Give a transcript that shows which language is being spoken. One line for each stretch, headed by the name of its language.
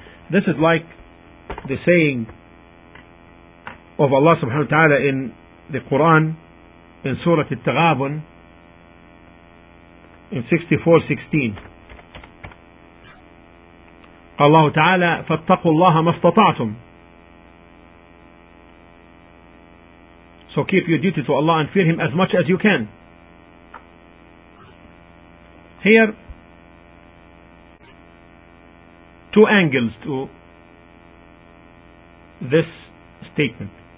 English: This is like the saying of Allah subhanahu wa ta'ala in the Quran, in Surah Al-Taghabun, in 64:16.
Arabic: Allah ta'ala, فَاتَّقُوا اللَّهَ مَا اسْتَطَعْتُمْ.
English: So keep your duty to Allah and fear Him as much as you can. Here, two angles to this statement.